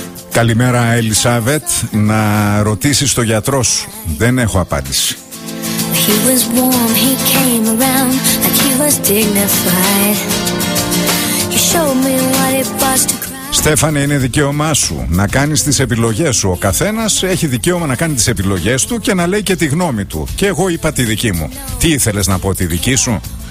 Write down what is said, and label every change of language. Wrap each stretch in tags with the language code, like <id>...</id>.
<el>Καλημέρα, Ελισάβετ, να ρωτήσεις το γιατρό σου. Δεν έχω απάντηση.</el> <en>He was warm, he came around, like he was dignified. He showed me what it was to cry.</en> <el>Στέφανε, είναι δικαίωμά σου να κάνεις τις επιλογές σου. Ο καθένας έχει δικαίωμα να κάνει τις επιλογές του και να λέει και τη γνώμη του. Και εγώ είπα τη δική μου. Τι ήθελες να πω τη δική σου?</el>